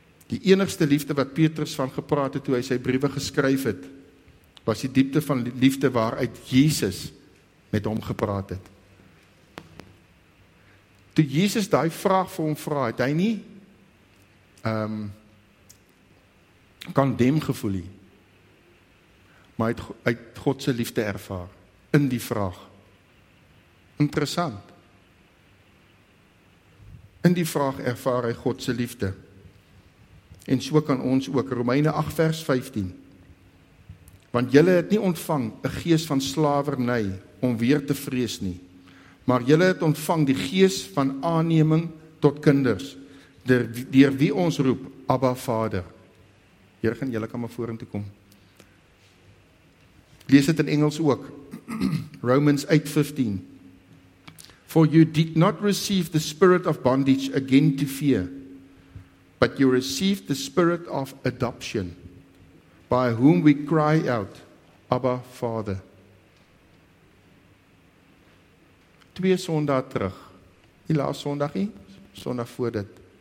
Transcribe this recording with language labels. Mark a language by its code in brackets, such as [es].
[af] Die enigste liefde wat Petrus van gepraat het toe hy sy briewe geskryf het, was die diepte van liefde waaruit Jesus met hom gepraat het. Toe Jesus daai vraag vir hom vra, het hy nie kan dem gevoel nie. Maar uit God se liefde ervaar in die vraag. Interessant. In die vraag ervaar hy God se liefde. En so kan ons ook Romeine 8 vers 15. Want julle het nie ontvang 'n gees van slawerny om weer te vrees nie, maar julle het ontvang die gees van aanneming tot kinders, deur wie ons roep Abba Vader. Hier gaan julle kan maar vorentoe kom. Lees dit in Engels ook. Romans 8:15. [en] For you did not receive the spirit of bondage again to fear, but you received the spirit of adoption, by whom we cry out, Abba Father. [af] 2 Sondae terug. Die laaste Sondagie, Sondag voor dit.